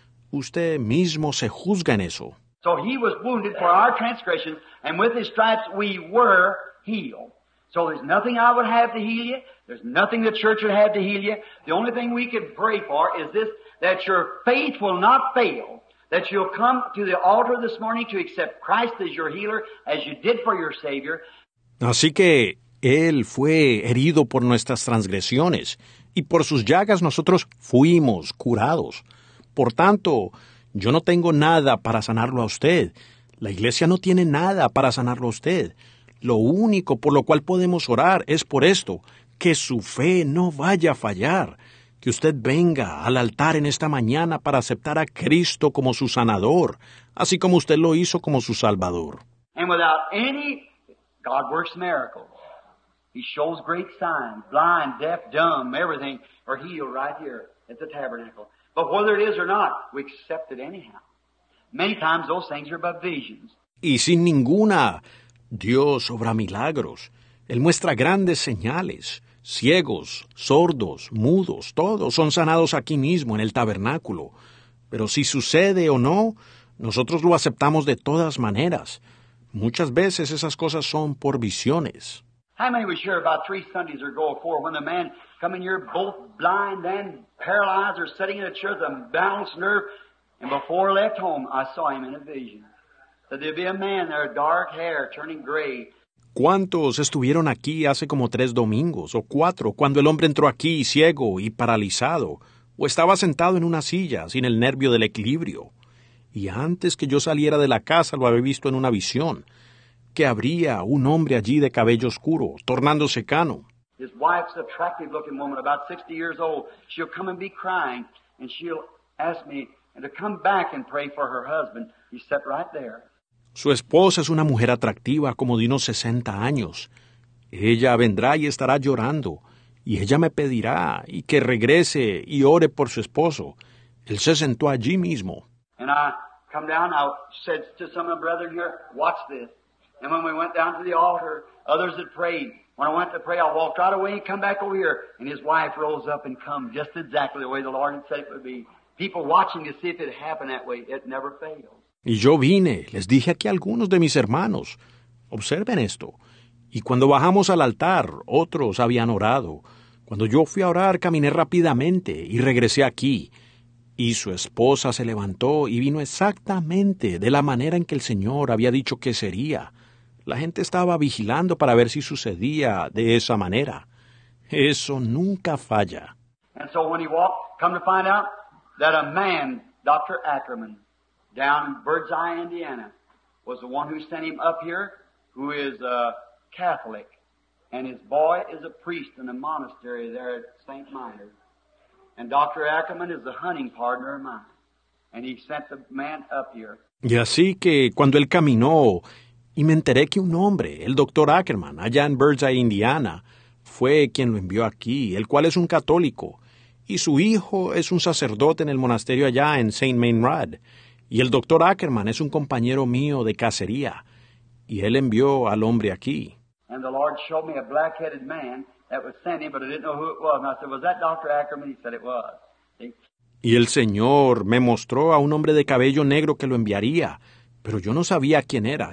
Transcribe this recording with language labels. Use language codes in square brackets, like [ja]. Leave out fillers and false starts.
[es] Usted mismo se juzga en eso. [en] So he was wounded for our transgressions, and with his stripes we were healed. So there's nothing I would have to heal you. There's nothing the church would have to heal you. The only thing we could pray for is this, that your faith will not fail. That you'll come to the altar this morning to accept Christ as your healer, as you did for your Savior. [es] Así que Él fue herido por nuestras transgresiones, y por sus llagas nosotros fuimos curados. Por tanto, yo no tengo nada para sanarlo a usted. La iglesia no tiene nada para sanarlo a usted. Lo único por lo cual podemos orar es por esto, que su fe no vaya a fallar. Que usted venga al altar en esta mañana para aceptar a Cristo como su sanador, así como usted lo hizo como su salvador. [en] And without any... God works miracles. He shows great signs, blind, deaf, dumb, everything are healed right here at the tabernacle. But whether it is or not, we accept it anyhow. Many times those things are about visions. [es] Y sin ninguna, Dios obra milagros. Él muestra grandes señales. Ciegos, sordos, mudos, todos son sanados aquí mismo en el tabernáculo. Pero si sucede o no, nosotros lo aceptamos de todas maneras. Muchas veces esas cosas son por visiones. [en] How many was here about 3 Sundays ago or 4 when the man come in here both blind and paralyzed or sitting in a chair with a balanced nerve? And before I left home, I saw him in a vision. That there'd be a man there, dark hair, turning gray. [es] ¿Cuántos estuvieron aquí hace como 3 domingos o 4 cuando el hombre entró aquí ciego y paralizado? ¿O estaba sentado en una silla sin el nervio del equilibrio? Y antes que yo saliera de la casa, lo había visto en una visión, que habría un hombre allí de cabello oscuro, tornándose cano. [en] His wife's an attractive looking woman, about 60 years old. She'll come and be crying, and she'll ask me to come back and pray for her husband. He sat right there. [es] Su esposa es una mujer atractiva, como de unos 60 años. Ella vendrá y estará llorando, y ella me pedirá y que regrese y ore por su esposo. Él se sentó allí mismo. [en] And I come down, I said to some of the brethren here, watch this. And when we went down to the altar, others had prayed. When I went to pray, I walked right away and come back over here. And his wife rose up and come just exactly the way the Lord had said it would be. People watching to see if it happened that way. It never fails. [es] Y yo vine, les dije aquí a algunos de mis hermanos, observen esto. Y cuando bajamos al altar, otros habían orado. Cuando yo fui a orar, caminé rápidamente y regresé aquí. Y su esposa se levantó y vino exactamente de la manera en que el Señor había dicho que sería. La gente estaba vigilando para ver si sucedía de esa manera. Eso nunca falla. [en] And so when he walked, come to find out that a man, Dr. Ackerman, down in Birdseye, Indiana, was the one who sent him up here, who is a Catholic, and his boy is a priest in a monastery there at St. Minor. And Dr. Ackerman is the hunting partner of mine. And he sent the man up here. [es] Y así que cuando él caminó, y me enteré que un hombre, el Dr. Ackerman, allá en Birdseye, Indiana, fue quien lo envió aquí, el cual es un católico. Y su hijo es un sacerdote en el monasterio allá en St. Mainrad. Y el Dr. Ackerman es un compañero mío de cacería. Y él envió al hombre aquí. [en] And the Lord showed me a black-headed man. That was sent him, but I didn't know who it was. And I said, was that Dr. Ackerman? He said it was. See? [es] Y el Señor me mostró a un hombre de cabello negro que lo enviaría, pero yo no sabía quién era.